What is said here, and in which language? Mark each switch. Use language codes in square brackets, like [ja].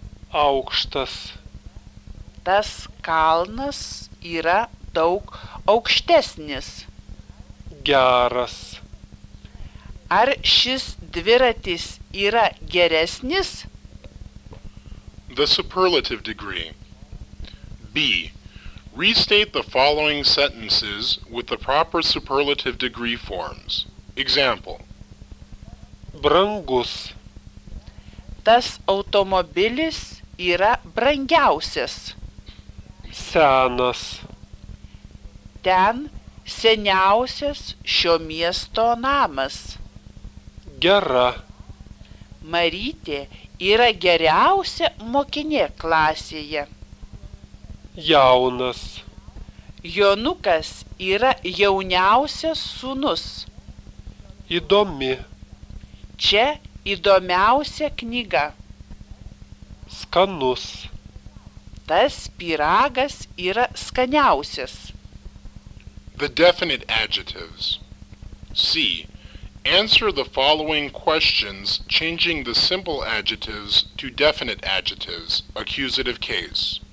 [lt] Aukštas. Tas kalnas yra daug aukštesnis. Geras. Ar šis dviratis yra geresnis? [en] The superlative degree. B. Restate the following sentences with the proper superlative degree forms. Example. [lt] Brangus. Tas automobilis yra brangiausias. Senas. Ten seniausias šio miesto namas. Gera. Marytė yra geriausia mokinė klasėje. Jaunas. Jonukas yra jauniausias sūnus. Įdomi. Čia įdomiausia knyga. Skanus. Tas pyragas yra skaniausias. [en] The definite adjectives. C. Answer the following questions, changing the simple adjectives to definite adjectives, accusative case.